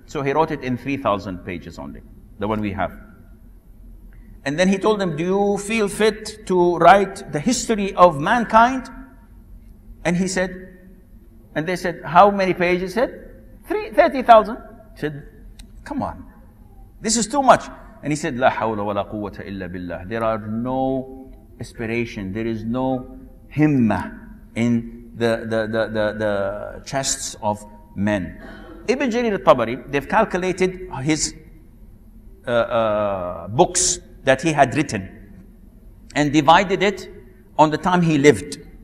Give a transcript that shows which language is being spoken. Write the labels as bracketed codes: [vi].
[en] So he wrote it in 3,000 pages only, the one we have. And then he told them, do you feel fit to write the history of mankind? And he said, and they said, how many pages? He said, 30,000. He said, Come on. This is too much. And he said, [ar] لا حول ولا قوة إلا بالله. [en] There are no aspiration. There is no himmah in the chests of men. Ibn Jarir al-Tabari, they've calculated his books that he had written and divided it on the time he lived.